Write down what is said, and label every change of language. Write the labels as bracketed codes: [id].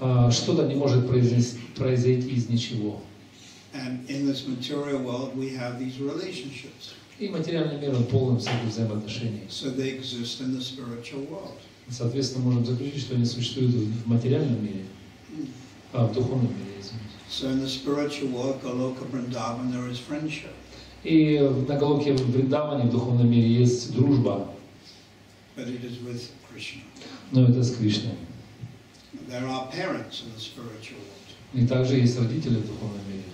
[ru] Что-то не может произойти из ничего. [en] And in this material world, we have these relationships. [ru] И материальный мир он полон всяких взаимоотношений. [en] So they exist in the spiritual world. [ru] Соответственно, можем заключить, что они существуют в материальном мире, в духовном мире, извините. [en] So in the spiritual world, Goloka Vrindavan, there is friendship. [ru] И на Голоке Вриндаване в духовном мире есть дружба. [en] But it is with Krishna. [ru] Но это с Кришной. [en] There are parents in the spiritual world. [ru] И также есть родители в духовном мире.